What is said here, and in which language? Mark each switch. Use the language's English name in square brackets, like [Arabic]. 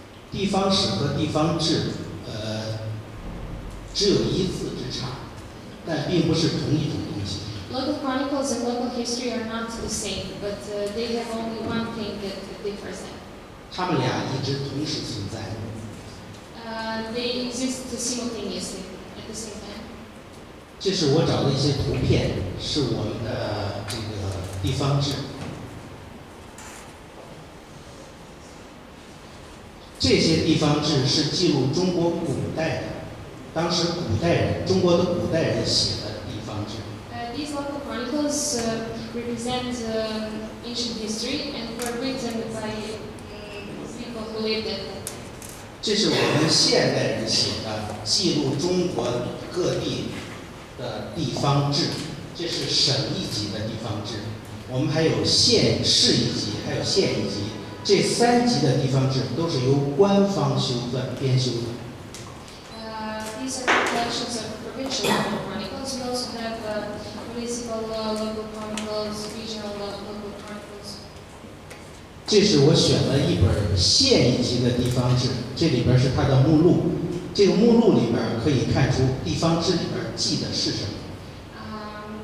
[Chinese] 地方史和地方志，只有一字之差，但并不是同一种东西。 [English] Local chronicles and local history are not the same, but they have only one thing that differs them. [Chinese] 他们俩一直同时存在。 [English] They exist simultaneously at the same time. [Chinese] 这是我找的一些图片，是我们的这个地方志。这些地方志是记录中国古代的，当时古代人，中国的古代人写的地方志。 [English] These local chronicles represent ancient history and were written by people who lived in it. [Chinese] 这是我们现代人写的，记录中国各地的地方志，这是省一级的地方志，我们还有县市一级，还有县一级。这三级的地方志都是由官方修撰编修的。 [English] These are collections of provincial local chronicles. We also have municipal local chronicles, regional local chronicles. [Chinese] 这是我选了一本县一级的地方志，这里边是它的目录。这个目录里边可以看出地方志里边记的是什么。